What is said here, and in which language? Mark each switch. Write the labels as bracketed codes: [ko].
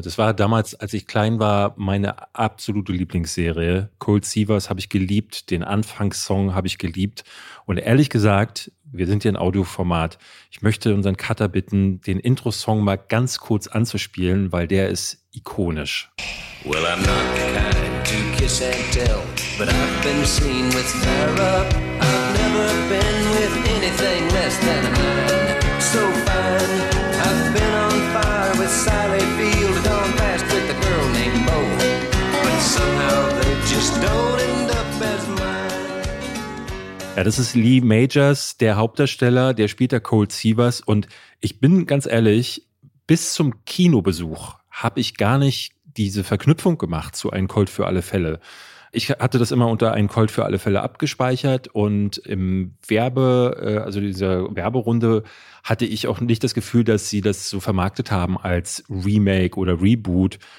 [de] Das war damals, als ich klein war, meine absolute Lieblingsserie. Colt Sievers habe ich geliebt. Den Anfangssong habe ich geliebt. Und ehrlich gesagt, wir sind hier in Audioformat. Ich möchte unseren Cutter bitten, den Intro-Song mal ganz kurz anzuspielen, weil der ist ikonisch. [en] Well, I'm not kind to kiss and tell, but I've been seen with her up. I've never been with anything less than a man so fine. I've been on fire with Sally Field, gone past with a girl named Bo, but somehow they just don't end up as mine. [de] Ja, das ist Lee Majors, der Hauptdarsteller, der spielt der Colt Sievers. Und ich bin ganz ehrlich, bis zum Kinobesuch habe ich gar nicht diese Verknüpfung gemacht zu Ein Colt für alle Fälle. Ich hatte das immer unter Ein Colt für alle Fälle abgespeichert und im dieser Werberunde hatte ich auch nicht das Gefühl, dass sie das so vermarktet haben als Remake oder Reboot.